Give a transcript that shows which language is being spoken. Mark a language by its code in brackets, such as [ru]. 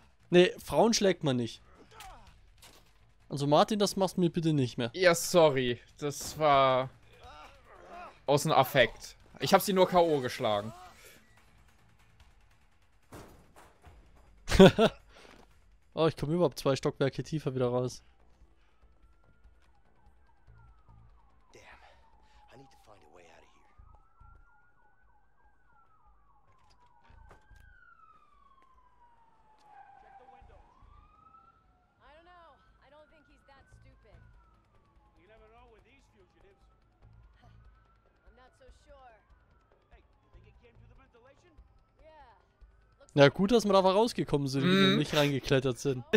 [de] Nee, Frauen schlägt man nicht. Also Martin, das machst du mir bitte nicht mehr. Ja, sorry. Das war aus dem Affekt. Ich hab sie nur K.O. geschlagen. Oh, ich komme überhaupt zwei Stockwerke tiefer wieder raus. [en] Damn. I need to find a way out of here. Check the window. I don't know. I don't think he's that stupid. You never know with these fugitives. I'm not so sure. Hey, you think it came through the ventilation? Yeah. [de] Na gut, dass wir da rausgekommen sind und nicht reingeklettert sind.